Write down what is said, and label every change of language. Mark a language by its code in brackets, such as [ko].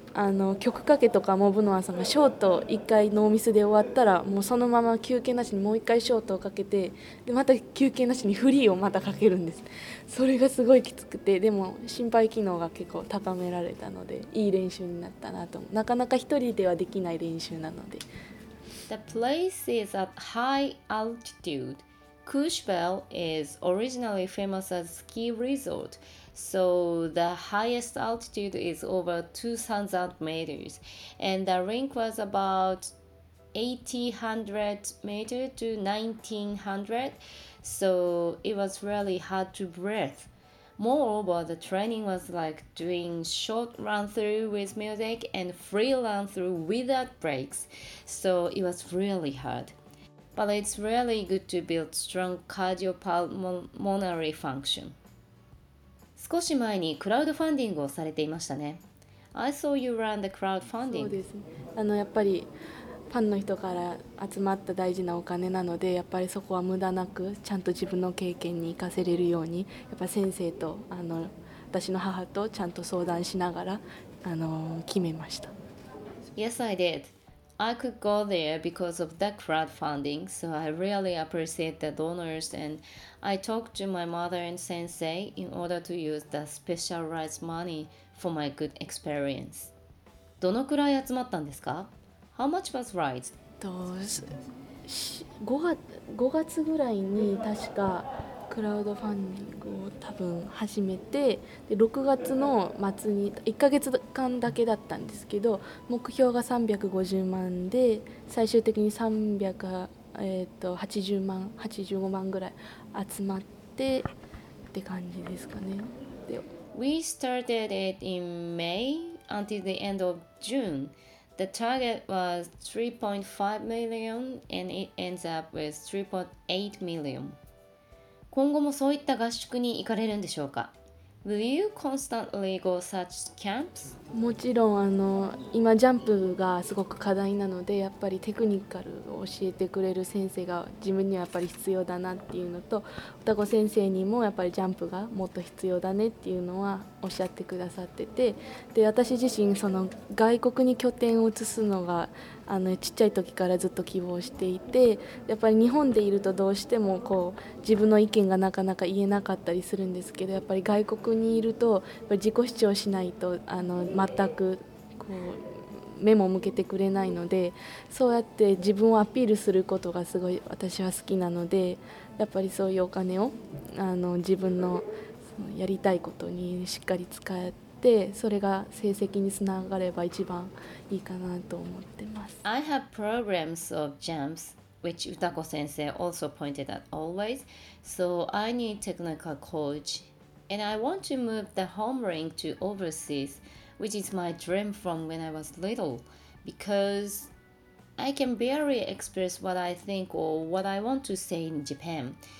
[ja] あの曲かけとかもブノワさんがショート一回ノーミスで終わったらもうそのまま休憩なしにもう一回ショートをかけて、でまた休憩なしにフリーをまたかけるんです。それがすごいきつくて、でも心肺機能が結構高められたのでいい練習になったなと。なかなか一人ではできない練習なので。 [en] The place is at high altitude. Kushbel is originally famous as a ski resortSo the highest altitude is over 2,000 meters, and the rink was about 1,800 meters to 1,900, so it was really hard to breathe. Moreover, the training was like doing short run through with music and free run through without breaks, so it was really hard. But it's really good to build strong cardiopulmonary function. [ja] 少し前にクラウドファンディングをされていましたね。 [en] I saw you run the crowdfunding. [ja] そうですね。あのやっぱりファンの人から集まった大事なお金なので、やっぱりそこは無駄なくちゃんと自分の経験に活かせれるように、やっぱ先生とあの私の母とちゃんと相談しながら決めました。 [en] Yes, I did. I could go there because of the crowdfunding, so I really appreciate the donors andI talked to my mother and sensei in order to use the specialized money for my good experience. [ja] どのくらい集まったんですか? [en] How much was raised? [ja] 5月ぐらいに確かクラウドファンディングを多分始めて、で6月の末に1ヶ月間だけだったんですけど、目標が350万で最終的に85万ぐらい集まってって感じですかね。で [en] We started it in May until the end of June. The target was 3.5 million and it ends up with 3.8 million. [ja] 今後もそういった合宿に行かれるんでしょうか? [en] Will you constantly go such camps? [ja] もちろん、今ジャンプがすごく課題なので、やっぱりテクニカルを教えてくれる先生が自分にはやっぱり必要だなっていうのと、双子先生にもやっぱりジャンプがもっと必要だねっていうのはおっしゃってくださってて、で私自身その外国に拠点を移すのがちっちゃい時からずっと希望していて、やっぱり日本でいるとどうしてもこう自分の意見がなかなか言えなかったりするんですけど、やっぱり外国にいるとやっぱり自己主張しないと全くこう目も向けてくれないので、そうやって自分をアピールすることがすごい私は好きなので、やっぱりそういうお金を自分のやりたいことにしっかり使って、でそれが成績につながれば一番いいかなと思ってます。 [en] I have programs of jumps which Utako sensei also pointed at always, so I need technical coach and I want to move the home rink to overseas, which is my dream from when I was little, because I can barely express what I think or what I want to say in Japan.